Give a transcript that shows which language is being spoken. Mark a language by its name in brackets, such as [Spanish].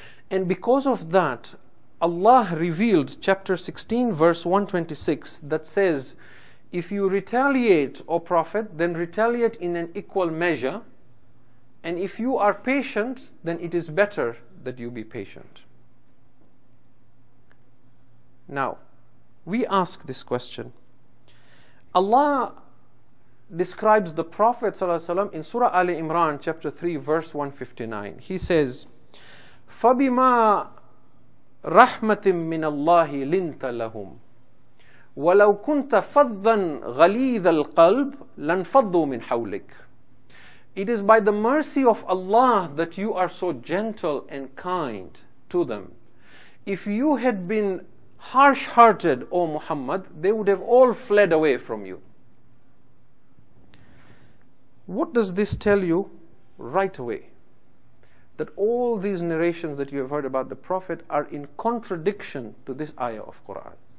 [English] And because of that, Allah revealed chapter 16, verse 126, that says, if you retaliate, O Prophet, then retaliate in an equal measure. And if you are patient, then it is better that you be patient. Now, we ask this question. Allah describes the Prophet ﷺ in Surah Ali Imran, chapter 3, verse 159. He says, [Arabic] فَبِمَا رَحْمَةٍ مِّنَ اللَّهِ لِنْتَ لَهُمْ وَلَوْ كُنْتَ فَضًّا غَلِيظَ الْقَلْبِ لَنْفَضُّوا مِنْ حَوْلِكَ. [English] It is by the mercy of Allah that you are so gentle and kind to them. If you had been harsh-hearted, O Muhammad, they would have all fled away from you. What does this tell you right away? That all these narrations that you have heard about the Prophet are in contradiction to this ayah of Quran.